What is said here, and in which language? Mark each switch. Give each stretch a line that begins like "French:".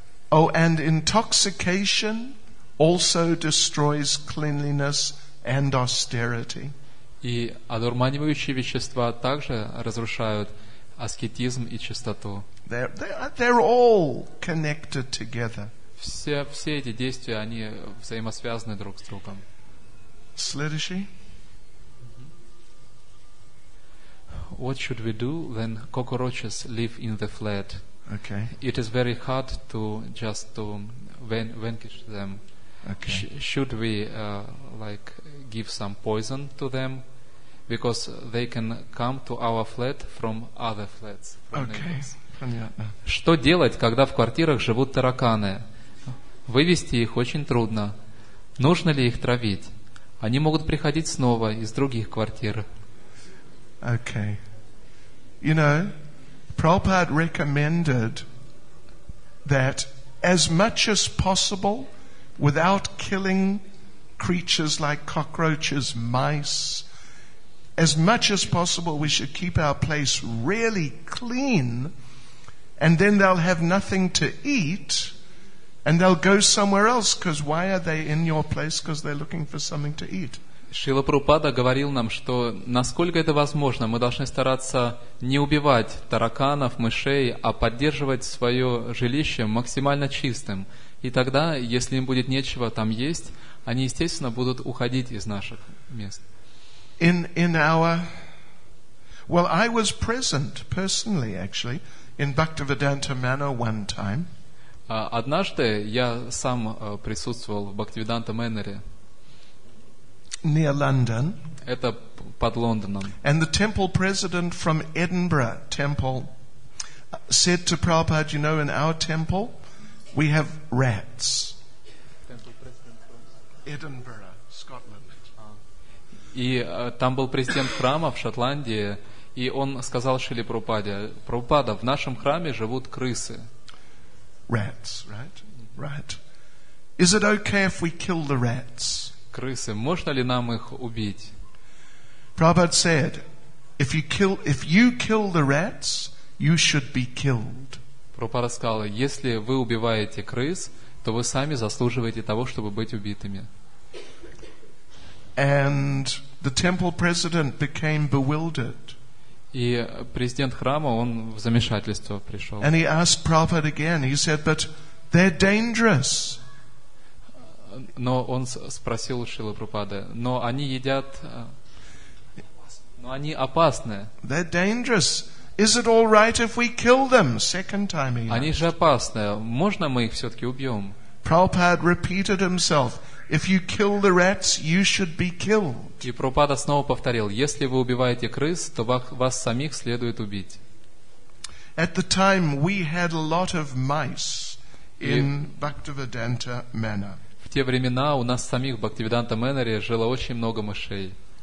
English: Oh, and intoxication also destroys cleanliness and austerity.
Russian: И одурманивающие вещества также разрушают аскетизм и чистоту.
English: They're all connected together.
Russian: Все эти действия, они взаимосвязаны друг с другом. Следующий.
English: What should we do when cockroaches live in the flat? Okay. It is very hard to just to vanquish them. Okay. Should we like give some poison to them? Because they can come to our flat from other flats. From
Russian: okay. Понятно. Что делать, когда в квартирах живут тараканы? Вывести их очень трудно. Нужно ли их травить? Они могут приходить снова из других квартир.
English: Okay. You know, Prabhupada recommended that as much as possible, without killing creatures like cockroaches, mice, as much as possible, we should keep our place really clean, and then they'll have nothing to eat, and they'll go somewhere else, because why are they in your place? Because they're looking for something to eat.
Russian: Шрила Прабхупада говорил нам, что насколько это возможно, мы должны стараться не убивать тараканов, мышей, а поддерживать свое жилище максимально чистым. И тогда, если им будет нечего там есть, они, естественно, будут уходить из наших мест.
English: In our... Well, I was present personally, actually, in Bhaktivedanta Manor one time.
Russian: Однажды я сам присутствовал в Бхактивиданта Мэннере.
English: Near London.
Russian: Это под Лондоном.
English: And the temple president from Edinburgh Temple said to Prabhupada, you know, in our temple, we have rats. Temple president from Edinburgh, Scotland.
Russian: И там был президент храма в Шотландии, и он сказал Шриле Прабхупаде, Прабхупада, в нашем храме живут крысы.
English: Rats, right? Right. Is it okay if we kill the rats?
Russian: Крысы, можно ли нам их убить?
English: Prabhupada said, if you kill the rats, you should be killed.
Russian: Прабхупада сказал, если вы убиваете крыс, то вы сами заслуживаете того, чтобы быть убитыми.
English: And the temple president became bewildered.
Russian: И президент храма, он в замешательство пришел.
English: And he asked Prabhupada again. He said, but they're dangerous.
Russian: Но он спросил у Шрилы Прабхупады, но они едят, но они опасны.
English: They're dangerous. Is it all right if we kill them? Second time he asked.
Russian: Они же опасны. Можно мы их все-таки убьем?
English: Prabhupada repeated himself. If you kill the rats, you should be killed.
Russian: И Прабхупада снова повторил, если вы убиваете крыс, то вас самих следует убить.
English: At the time we had a lot of mice in Bhaktivedanta Manor.
Russian: В те времена у нас самих в Бхактивиданта Мэннере жило очень много мышей.